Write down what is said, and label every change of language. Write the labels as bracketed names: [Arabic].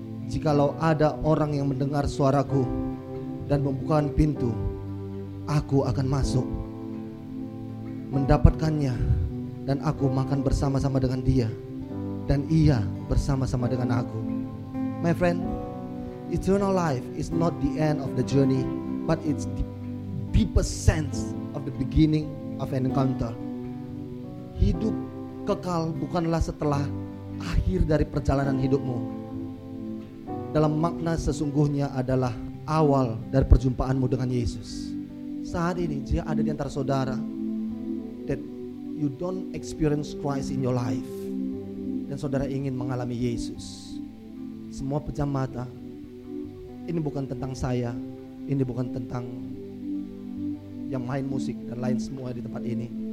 [Indonesian] Jikalau ada orang yang mendengar suaraku dan membukakan pintu, aku akan masuk mendapatkannya, dan aku makan bersama-sama dengan dia, dan ia bersama-sama dengan aku. [English] My friend, eternal life is not the end of the journey, but it's the deepest sense of the beginning of an encounter. Hidup [Indonesian] kekal bukanlah setelah akhir dari perjalanan hidupmu. Dalam makna sesungguhnya adalah awal dari perjumpaanmu dengan Yesus. Saat ini jika ada di antara saudara [English] that you don't experience Christ in your life [Indonesian] dan saudara ingin mengalami Yesus, semua pejam mata, ini bukan tentang saya, ini bukan tentang yang main musik dan lain semua di tempat ini.